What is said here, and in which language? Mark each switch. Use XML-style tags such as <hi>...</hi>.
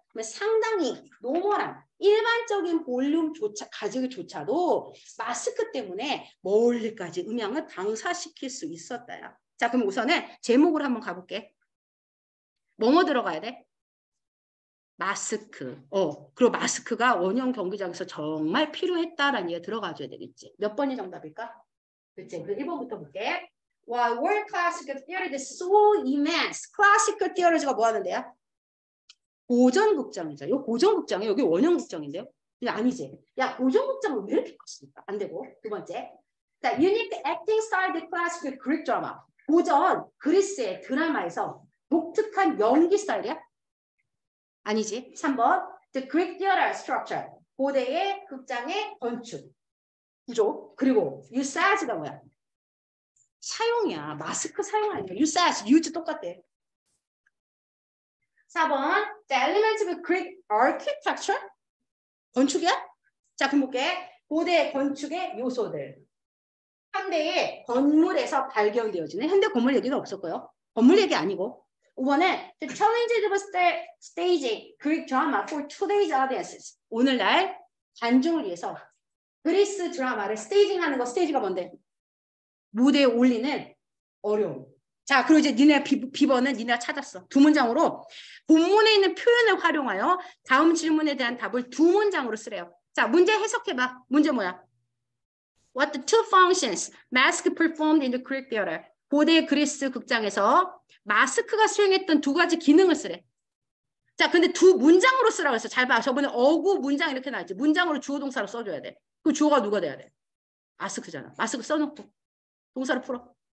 <ko>그러면 상당히 노멀한 일반적인 볼륨 조차 가지기조차도 마스크 때문에 멀리까지 음향을 당사시킬 수 있었다야. 자, 그럼 우선은 제목으로 한번 가볼게. 뭐뭐 들어가야 돼? 마스크. 어, 그리고 마스크가 원형 경기장에서 정말 필요했다라는 얘기가 들어가줘야 되겠지. 몇 번이 정답일까? 그치. 그 1번부터 볼게.</ko> <en>Why world classical theater is so immense.</en> <ko>Classical theater가 뭐 하는데요? 고전극장이죠. 요 고전극장이 여기 원형극장인데요? 이게 아니지. 야, 고전극장은 왜 이렇게 컸습니까? 안 되고. 두 번째. 자,</ko> <en>unique acting style the classical Greek drama.</en> <ko>고전 그리스의 드라마에서 독특한 연기 스타일이야? 아니지. 3번.</ko> <en>The Greek theater structure.</en> <ko>고대의 극장의 건축. 구조. 그리고 usage가 뭐야? 사용이야. 마스크 사용하니까. usage. use 똑같대. 4번.</ko> <en>The elements of Greek architecture.</en> <ko>건축이야? 자, 그럼 볼게. 고대의 건축의 요소들. 현대의 건물에서 발견되어지는 현대 건물 얘기가 없었고요. 건물 얘기 아니고.</ko> <en>5번에 the challenges of staging Greek drama for today's audiences.</en> <ko>오늘날 관중을 위해서 그리스 드라마를 스테이징하는 거. 스테이지가 뭔데? 무대에 올리는 어려움. 자, 그리고 이제 니네 비번은 니네가 찾았어. 두 문장으로 본문에 있는 표현을 활용하여 다음 질문에 대한 답을 두 문장으로 쓰래요. 자, 문제 해석해봐. 문제 뭐야?</ko> <en>What the two functions mask performed in the Greek theater?</en> <ko>고대 그리스 극장에서 마스크가 수행했던 두 가지 기능을 쓰래. 자, 근데 두 문장으로 쓰라고 했어. 잘 봐. 저번에 어구 문장 이렇게 나왔지. 문장으로 주어 동사로 써줘야 돼. 그 주어가 누가 돼야 돼? 마스크잖아. 마스크 써놓고 동사를 풀어.</ko>